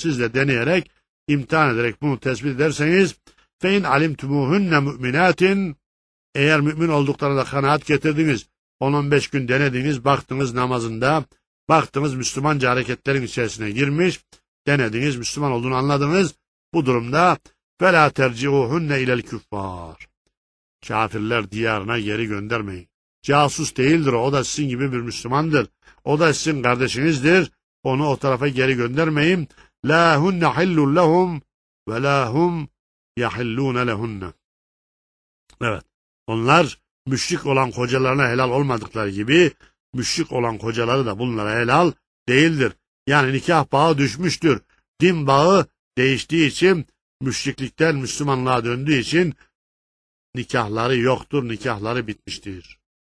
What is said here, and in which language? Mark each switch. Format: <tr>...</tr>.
<tr>Siz de deneyerek, imtihan ederek bunu tespit ederseniz,</tr> <ar>fe in alimtumuhunne mu'minatin,</ar> <tr>eğer mümin olduklarına kanaat getirdiniz, 10-15 gün denediniz, baktınız namazında, baktınız Müslümanca hareketlerin içerisine girmiş, denediniz, Müslüman olduğunu anladınız, bu durumda</tr> <ar>فَلَا تَرْجِعُوهُنَّ اِلَى الْكُفَّارِ.</ar> <tr>Kafirler diyarına geri göndermeyin. Casus değildir o, o da sizin gibi bir Müslümandır. O da sizin kardeşinizdir. Onu o tarafa geri göndermeyin.</tr> <ar>لَا هُنَّ حِلُّ لَهُمْ وَلَا هُمْ يَحِلُّونَ لَهُنَّ.</ar> <tr>Evet. Onlar müşrik olan kocalarına helal olmadıkları gibi müşrik olan kocaları da bunlara helal değildir. Yani nikah bağı düşmüştür. Din bağı değiştiği için, müşriklikten Müslümanlığa döndüğü için nikahları yoktur, nikahları bitmiştir.</tr>